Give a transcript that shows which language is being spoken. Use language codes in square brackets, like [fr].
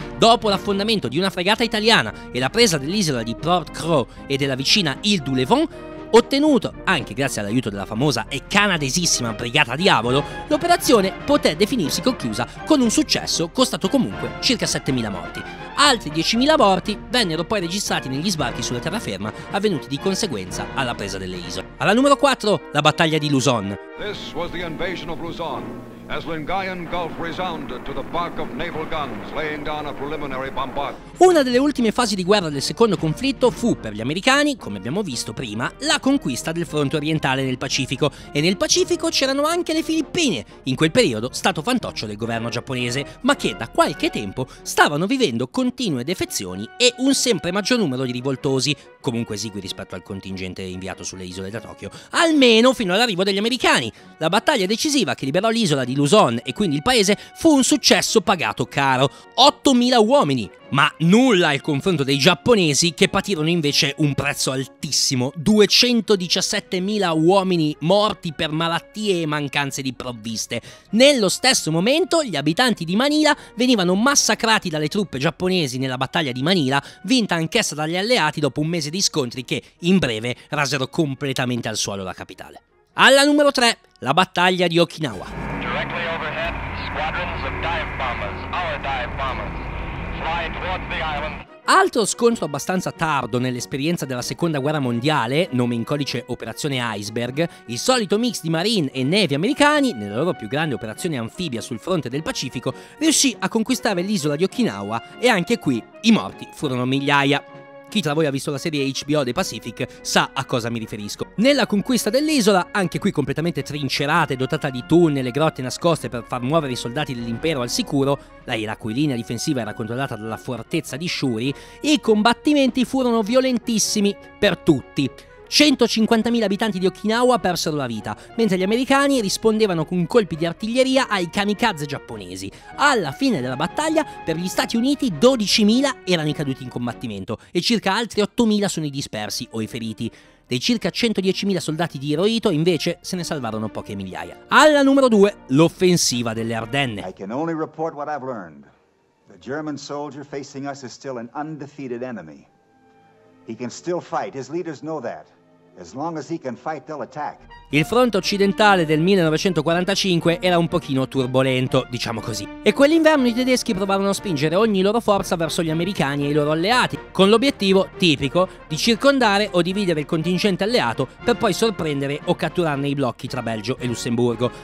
[it] Dopo l'affondamento di una fregata italiana e la presa dell'isola di Port-Cros e della vicina Île du Levant, ottenuto anche grazie all'aiuto della famosa e canadesissima Brigata Diavolo, l'operazione poté definirsi conclusa con un successo costato comunque circa 7.000 morti. Altri 10.000 morti vennero poi registrati negli sbarchi sulla terraferma avvenuti di conseguenza alla presa delle isole. Alla numero 4, la battaglia di Luzon. [en] This was the invasion of Luzon, as Lingayen Gulf resounded to the bark of naval guns laying down a preliminary bombardment. [it] Una delle ultime fasi di guerra del secondo conflitto fu per gli americani, come abbiamo visto prima, la conquista del fronte orientale nel Pacifico, e nel Pacifico c'erano anche le Filippine, in quel periodo stato fantoccio del governo giapponese, ma che da qualche tempo stavano vivendo continue defezioni e un sempre maggior numero di rivoltosi, comunque esigui rispetto al contingente inviato sulle isole da Tokyo, almeno fino all'arrivo degli americani. La battaglia decisiva che liberò l'isola di Luzon e quindi il paese fu un successo pagato caro, 8.000 uomini, ma nulla al confronto dei giapponesi che patirono invece un prezzo altissimo, 217.000 uomini morti per malattie e mancanze di provviste. Nello stesso momento gli abitanti di Manila venivano massacrati dalle truppe giapponesi nella battaglia di Manila, vinta anch'essa dagli alleati dopo un mese di scontri che in breve rasero completamente al suolo la capitale. Alla numero 3, la battaglia di Okinawa. [en] Directly overhead, squadrons of dive bombers, our dive bombers, fly towards the island. [it] Altro scontro abbastanza tardo nell'esperienza della Seconda Guerra Mondiale, nome in codice Operazione Iceberg, il solito mix di Marine e Navy americani, nella loro più grande operazione anfibia sul fronte del Pacifico, riuscì a conquistare l'isola di Okinawa e anche qui i morti furono migliaia. Chi tra voi ha visto la serie HBO The Pacific sa a cosa mi riferisco. Nella conquista dell'isola, anche qui completamente trincerata e dotata di tunnel e grotte nascoste per far muovere i soldati dell'impero al sicuro, la cui linea difensiva era controllata dalla fortezza di Shuri, i combattimenti furono violentissimi per tutti. 150.000 abitanti di Okinawa persero la vita, mentre gli americani rispondevano con colpi di artiglieria ai kamikaze giapponesi. Alla fine della battaglia, per gli Stati Uniti 12.000 erano i caduti in combattimento e circa altri 8.000 sono i dispersi o i feriti. Dei circa 110.000 soldati di Hirohito, invece, se ne salvarono poche migliaia. Alla numero 2, l'offensiva delle Ardenne. [en] I can only report what I've learned. The German soldier facing us is still an undefeated enemy. He can still fight. His leaders know that. As long as he can fight, they'll attack. [it] Il fronte occidentale del 1945 era un pochino turbolento, diciamo così. E quell'inverno i tedeschi provarono a spingere ogni loro forza verso gli americani e i loro alleati, con l'obiettivo, tipico, di circondare o dividere il contingente alleato per poi sorprendere o catturarne i blocchi tra Belgio e Lussemburgo.